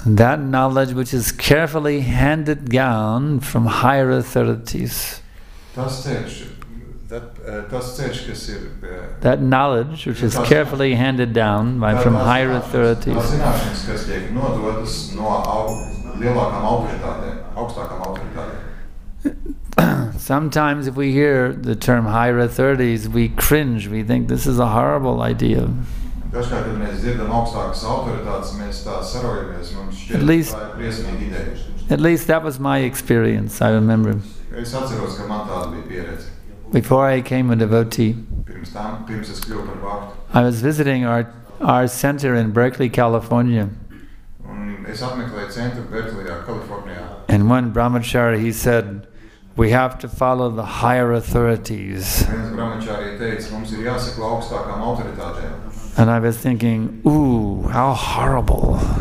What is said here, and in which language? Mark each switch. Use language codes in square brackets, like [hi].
[en] That knowledge which is carefully handed down from higher authorities. [lv] Tas ceļš, tas ceļš, kas ir, [en] that knowledge which is carefully handed down by from higher authorities. [lv] Tas zināšanas, kas tiek nodotas no lielākām autoritātēm, augstākām autoritātēm. [en] Sometimes if we hear the term higher authorities, we cringe, we think this is a horrible idea. [lv] Dažkārt, kad mēs dzirdam augstākas autoritātes, mēs tā sarojamies, mums šķiet, tā ir priesmīga ideja. [en] At least that was my experience, I remember. [lv] Es atceros, ka man tāda bija pieredze. [en] Before I came a devotee, [lv] pirms es kļuvu par bhaktu, [en] I was visiting our center in Berkeley, California. [lv] Un es apmeklēju centru Berklijā, Kalifornijā. [en] And one brahmachari, he said, we have to follow the higher authorities. [lv] Viens brahmachari teica, mums ir jāseklo augstākām autoritātēm. [en] And I was thinking, ooh, how horrible.